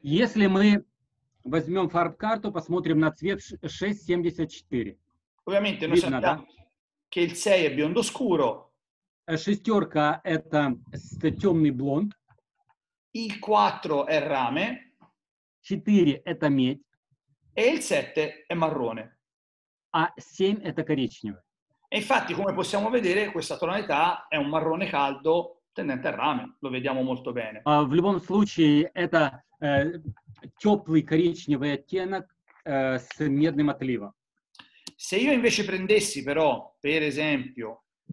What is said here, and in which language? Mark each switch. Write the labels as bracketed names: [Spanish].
[Russian] Если мы возьмем фарб-карту, посмотрим на цвет 674. [Italian] Ovviamente, [Russian] видно, [Italian] noi sappiamo, да? Che il 6 è biondo scuro. [Russian] Шестерка – это темный блонд. [Italian] Il 4 è rame. [Russian] 4 – это медь. [Italian] E il 7 è marrone. [Russian] А 7 – это коричневый. [Italian] E infatti, come possiamo vedere, questa tonalità è un marrone caldo tendente al rame. Lo vediamo molto bene. [Russian] В любом случае, это теплый коричневый оттенок с медным отливом. [Italian] Se io invece prendessi però, per esempio...